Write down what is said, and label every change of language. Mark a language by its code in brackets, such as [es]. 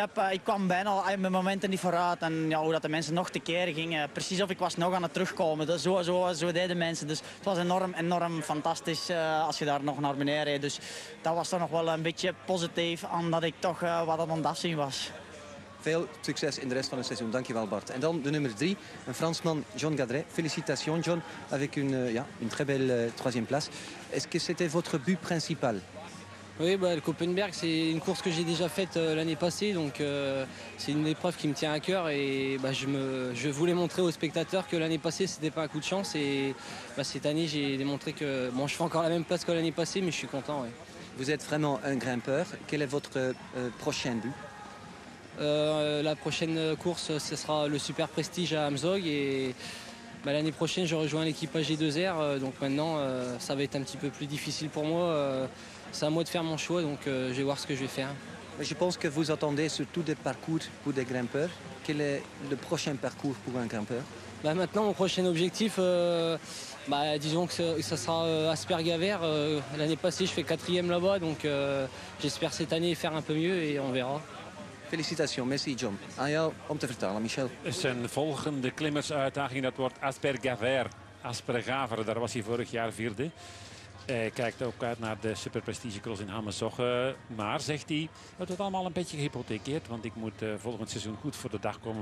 [nl] Ik kwam bijna in mijn momenten niet vooruit. En ja, hoe dat de mensen nog tekeer gingen. Precies of ik was nog aan het terugkomen. Dus zo deden mensen. Dus het was enorm, enorm fantastisch als je daar nog naar beneden reed. Dus dat was toch nog wel een beetje positief aan dat ik toch wat aan het afzien was. Veel succes in de rest van het seizoen. Dankjewel, Bart. En dan de nummer 3, een Fransman, John Gadret. [fr] Félicitations, John, avec une très belle troisième place. Est-ce que c'était votre but principal? Oui, bah, le Koppenberg, c'est une course que j'ai déjà faite l'année passée. Donc, c'est une épreuve qui me tient à cœur. Et bah, je voulais montrer aux spectateurs que l'année passée, c'était pas un coup de chance. Et bah, cette année, j'ai démontré que bon, je fais encore la même place que l'année passée, mais je suis content. Ouais. Vous êtes vraiment un grimpeur. Quel est votre prochain but? La prochaine course, ce sera le Super Prestige à Amsog. Et bah, l'année prochaine, je rejoins l'équipage G2R. Donc maintenant, ça va être un petit peu plus difficile pour moi. C'est à moi de faire mon choix, donc je vais voir ce que je vais faire. Mais je pense que vous attendez surtout des parcours pour des grimpeurs. Quel est le prochain parcours pour un grimpeur? Bah, maintenant, mon prochain objectif, disons que ça sera Aspergaver. L'année passée, je fais 4e là-bas. Donc j'espère cette année faire un peu mieux et on verra. [nl] Felicitaties, [fr] merci [nl] John. Aan jou om te vertalen, Michel. Zijn volgende klimmersuitdaging, dat wordt Aspergaver. Aspergaver, daar was hij vorig jaar vierde. Hij kijkt ook uit naar de Super Prestige Cross in Hammershoggen. Maar, zegt hij, het wordt allemaal een beetje gehypothekeerd. Want ik moet volgend seizoen goed voor de dag komen.